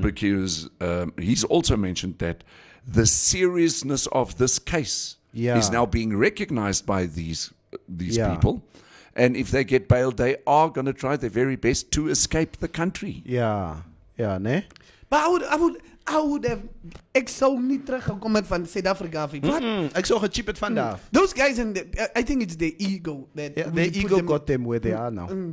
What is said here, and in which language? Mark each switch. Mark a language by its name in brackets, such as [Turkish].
[English] Because he's also mentioned that the seriousness of this case is now being recognized by these people. And if they get bailed, they are going to try their very best to escape the country. Yeah. Yeah, ne? But I would have... [Afrikaans] Ek sou nie teruggekom het van Suid-Afrika. What? Ek sou gechip het vandaar. [English] Those guys, and I think it's their ego. That their ego got them where they are now.